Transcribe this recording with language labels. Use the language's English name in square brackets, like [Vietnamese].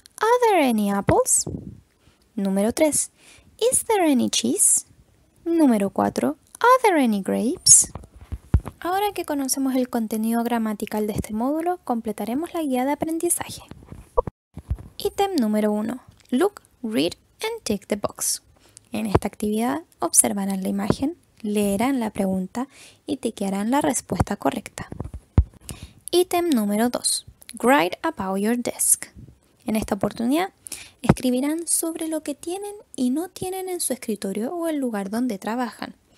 [English] Are there any apples? [Spanish] Número 3. [English] Is there any cheese? [Spanish] Número 4. [English] Are there any grapes? [Spanish] Ahora que conocemos el contenido gramatical de este módulo, completaremos la guía de aprendizaje. Ítem número 1. [English] Look, read and tick the box. [Spanish] En esta actividad, observarán la imagen, leerán la pregunta y tiquearán la respuesta correcta. Ítem número 2. [English] Write about your desk. [Spanish] En esta oportunidad, escribirán sobre lo que tienen y no tienen en su escritorio o el lugar donde trabajan.